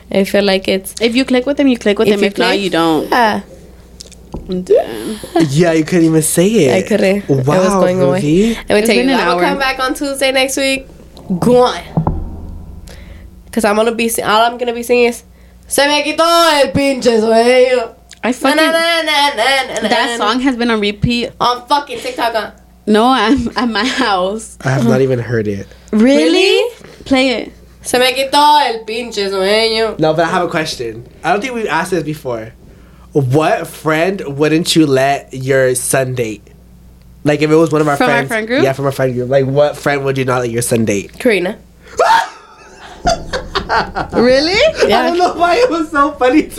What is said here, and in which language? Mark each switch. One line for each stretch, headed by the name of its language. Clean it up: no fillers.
English: I feel like it's... If you click with them, you click with them. If not, you don't. Yeah, you couldn't even say it. I couldn't. Wow, it was going away. I'll come back on Tuesday next week. Gone. Because all I'm going to be singing is...
Spanish: Se me quitó el pinche sueño.
English: I fucking... That song has been on repeat. On fucking TikTok. No, I'm at my house. I have not even heard it. Really? Play it.
Spanish: Se me quitó el pinche sueño.
English: No, but I have a question. I don't think we've asked this before. What friend wouldn't you let your son date? Like, if it was one of our friends. From our friend group? Yeah, from our friend group. Like, what friend would you not let your son date? Karina. Really? Yeah. I don't know why it was so funny to